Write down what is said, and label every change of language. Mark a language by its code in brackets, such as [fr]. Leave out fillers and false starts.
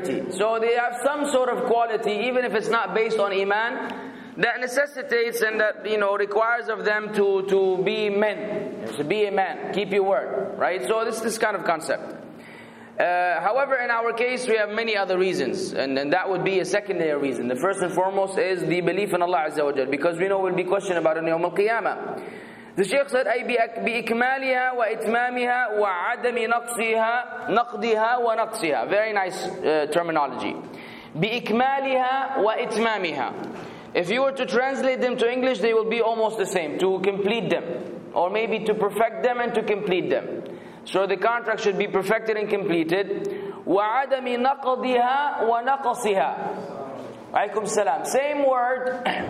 [en] So they have some sort of quality, even if it's not based on iman, that necessitates and that, you know, requires of them to be men, to be a man, keep your word, right? So this kind of concept. However, in our case, we have many other reasons, and that would be a secondary reason. The first and foremost is the belief in Allah Azza wa Jal, because we know we'll be questioned about it in the Qiyamah. The Shaykh said, [ar] أي بإكمالها وإتمامها وعدم نقصها نقضها ونقصها. [en] Very nice terminology. [ar] بإكمالها وإتمامها. [en] If you were to translate them to English, they will be almost the same. To complete them. Or maybe to perfect them and to complete them. So the contract should be perfected and completed. [ar] وعدم نقضها ونقصها. عليكم السلام. [en] Same word.